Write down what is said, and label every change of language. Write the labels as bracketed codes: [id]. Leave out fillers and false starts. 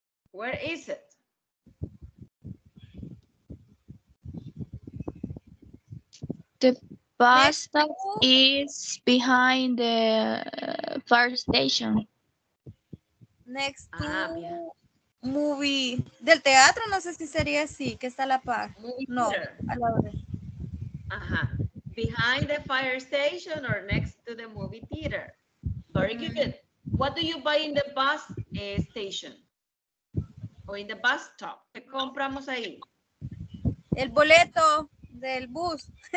[en] Where is it? The bus stop is behind the fire station. Next to movie. [es] Del teatro, no sé si sería así, que está a la par. No, a la hora. Ajá. [en] Behind the fire station or next to the movie theater. Very good. What do you buy in the bus station? Or in the bus stop? [es] ¿Qué compramos ahí? El boleto del bus.